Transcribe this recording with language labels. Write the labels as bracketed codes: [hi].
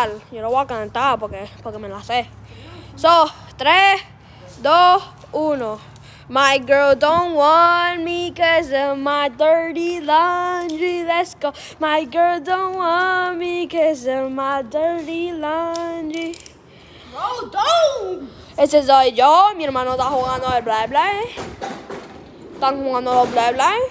[es] Yo la voy a cantar porque me la sé. [en] So, 3, 2, 1. My girl don't want me cause of my dirty laundry. Let's go. My girl don't want me cause of my dirty laundry. No, don't! [es] Ese soy yo. Mi hermano está jugando el bla bla. Están jugando los bla bla.